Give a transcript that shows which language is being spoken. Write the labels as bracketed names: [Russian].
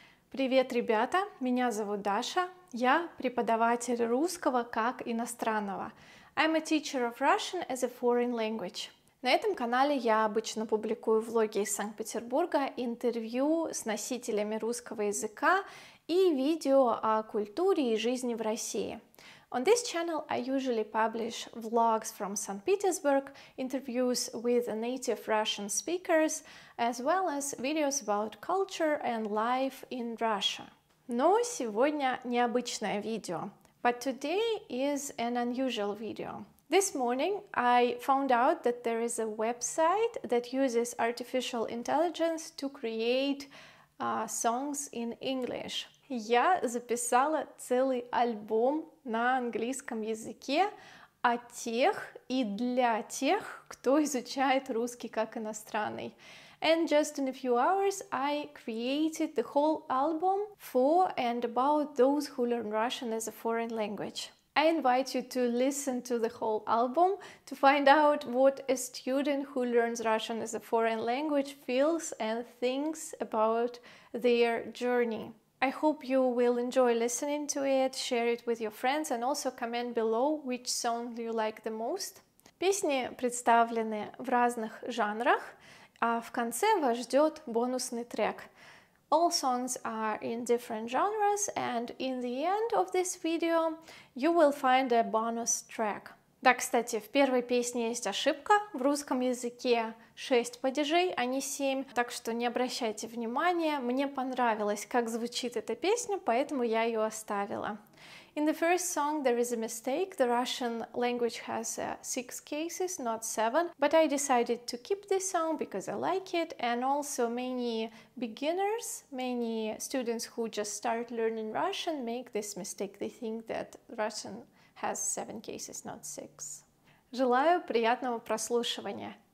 [Russian] Привет, ребята, меня зовут Даша. Я преподаватель русского как иностранного. [English] I'm a teacher of Russian as a foreign language. [Russian] На этом канале я обычно публикую влоги из Санкт-Петербурга, интервью с носителями русского языка и видео о культуре и жизни в России. [English] On this channel, I usually publish vlogs from St. Petersburg, interviews with native Russian speakers, as well as videos about culture and life in Russia. [Russian] Но сегодня необычное видео. [English] But today is an unusual video. This morning, I found out that there is a website that uses artificial intelligence to create songs in English. [Russian] Я записала целый альбом на английском языке о тех и для тех, кто изучает русский как иностранный. [English] And just in a few hours, I created the whole album for and about those who learn Russian as a foreign language. I invite you to listen to the whole album to find out what a student who learns Russian as a foreign language feels and thinks about their journey. I hope you will enjoy listening to it, share it with your friends, and also comment below, which song do you like the most. [Russian] Песни представлены в разных жанрах, а в конце вас ждет бонусный трек. [English] All songs are in different genres, and in the end of this video, you will find a bonus track. [Russian] Да, кстати, в первой песне есть ошибка, в русском языке 6 падежей, а не 7, так что не обращайте внимания, мне понравилось, как звучит эта песня, поэтому я ее оставила. [English] In the first song there is a mistake, the Russian language has 6 cases, not 7, but I decided to keep this song because I like it, and also many beginners, many students who just start learning Russian make this mistake, they think that Russian has 7 cases, not 6. [Russian] Желаю приятного прослушивания.